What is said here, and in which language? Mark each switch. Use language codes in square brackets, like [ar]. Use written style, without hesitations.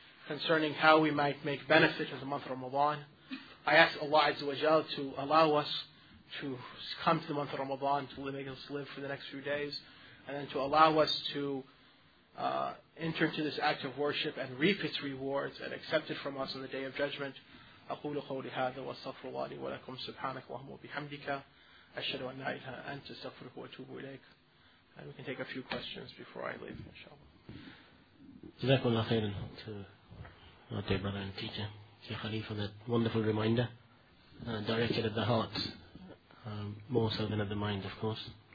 [en] concerning how we might make benefit of the month of Ramadan. I ask Allah Azza wa Jal to allow us to come to the month of Ramadan, to make us live for the next few days, and then to allow us to enter into this act of worship and reap its rewards and accept it from us on the Day of Judgment. [ar] أقول قولي هذا واستغفر الله لي ولكم سبحانك اللهم وبحمدك أشهد أن لا إله إلا أنت أستغفرك وأتوب إليك. [en] And we can take a few questions before I leave, inshallah. [ar] جزاكم الله خيرا [en] to our dear brother and teacher, Sheikh Khalifa, for that wonderful reminder directed at the heart, more so than at the mind, of course.